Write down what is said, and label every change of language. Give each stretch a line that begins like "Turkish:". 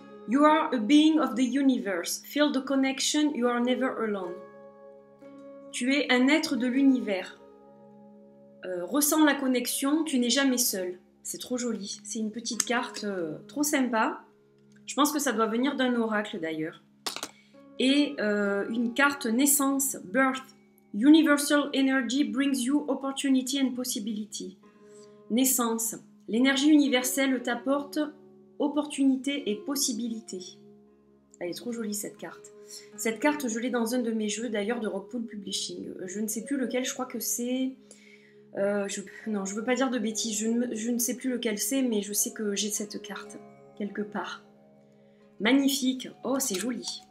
English: You are a being of the universe. Feel the connection. You are never alone.
French: Tu es un être de l'univers. Ressens la connexion. Tu n'es jamais seul. C'est trop joli. C'est une petite carte trop sympa. Je pense que ça doit venir d'un oracle d'ailleurs. Et une carte naissance. Birth.
English: Universal energy brings you opportunity and possibility.
French: Naissance. L'énergie universelle t'apporte opportunité et possibilité. Elle est trop jolie cette carte. Cette carte, je l'ai dans un de mes jeux d'ailleurs de Rockpool Publishing. Je ne sais plus lequel, je crois que c'est. Non, je ne veux pas dire de bêtises. Je ne sais plus lequel c'est, mais je sais que j'ai cette carte quelque part. Magnifique. Oh, c'est joli.